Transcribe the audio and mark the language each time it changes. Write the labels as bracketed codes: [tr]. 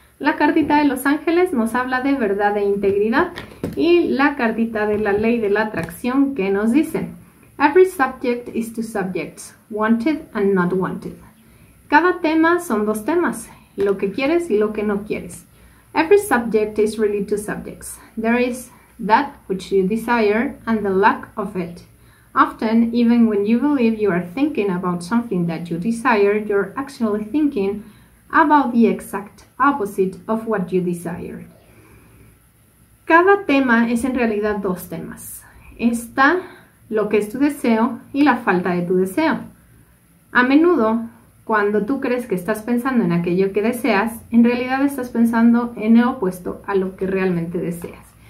[es] La cartita de los ángeles nos habla de verdad e integridad. Y la cartita de la ley de la atracción que nos dice: [en] Every subject is two subjects, wanted and not wanted. [es] Cada tema son dos temas, lo que quieres y lo que no quieres. [en] Every subject is really two subjects. There is that which you desire and the lack of it. Often, even when you believe you are thinking about something that you desire, you're actually thinking about the exact opposite of what you desire. [es] Cada tema es en realidad dos temas. Está lo que es tu deseo y la falta de tu deseo. A menudo, cuando tú crees que estás pensando en aquello que deseas, en realidad estás pensando en el opuesto a lo que realmente deseas.